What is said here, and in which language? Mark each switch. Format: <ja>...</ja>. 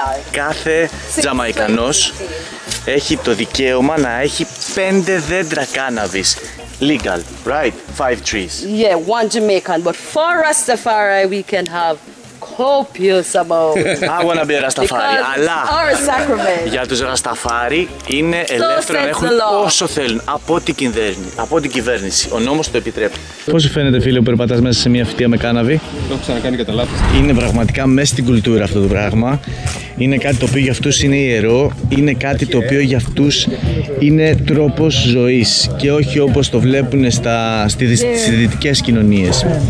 <el>Κάθε Τζαμαϊκανός έχει το δικαίωμα να έχει 5 δέντρα cannabis.</el> <en>Legal, right? 5 trees. Yeah, one Jamaican, but for Rastafari we can have copious amount. I wanna be a Rastafari,</en> <el>αλλά</el> <en>our sacrament.</en> <el>Για τους Rastafari είναι ελεύθερο να έχουν όσο θέλουν από την κυβέρνηση. Από την κυβέρνηση. Ο νόμος το επιτρέπει. Πώς σου φαίνεται, φίλε, που περπατάς μέσα σε μια φυτεία με κάναβη? Το έχω ξανακάνει κατά λάθος. Είναι πραγματικά μέσα στην κουλτούρα αυτό το πράγμα. Είναι κάτι το οποίο για αυτούς είναι ιερό, είναι κάτι το οποίο για αυτούς είναι τρόπος ζωής και όχι όπως το βλέπουν στις δυτικές κοινωνίες.</el>